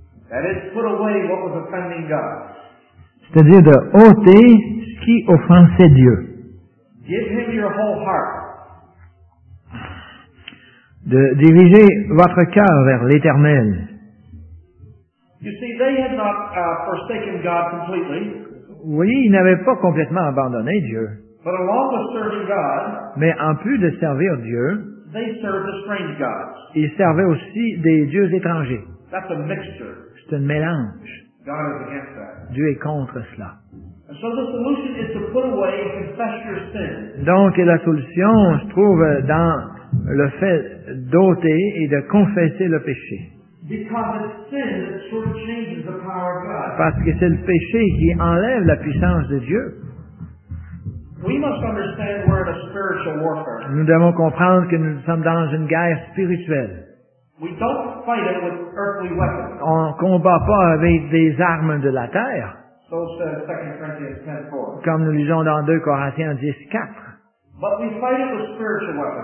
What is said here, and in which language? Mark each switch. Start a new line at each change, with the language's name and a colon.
English: that is, put away what was offending God.
French: C'est-à-dire de ôter ce qui offensait Dieu.
English: Give him your whole heart.
French: De diriger votre cœur vers l'Éternel.
English: You see, they had not forsaken God completely.
French: Oui, ils n'avaient pas complètement abandonné Dieu.
English: But along with serving God,
French: mais en plus de servir Dieu,
English: they served the strange gods.
French: Ils servaient aussi des dieux étrangers.
English: That's a mixture.
French: C'est un mélange.
English: God is against that.
French: Dieu est contre cela.
English: And so the solution is to put away and confess your sin.
French: Donc la solution se trouve dans le fait d'ôter et de confesser le péché.
English: Because it's sin that sort of changes the power of God.
French: Parce que c'est le péché qui enlève la puissance de Dieu.
English: We must understand we're in a spiritual warfare.
French: Nous devons comprendre que nous sommes dans une guerre spirituelle.
English: We don't fight it with earthly weapons.
French: On ne combat pas avec des armes de la terre.
English: So says 2 Corinthians 10:4.
French: Comme nous lisons dans 2 Corinthiens 10:4.
English: But we fight it with spiritual weapons.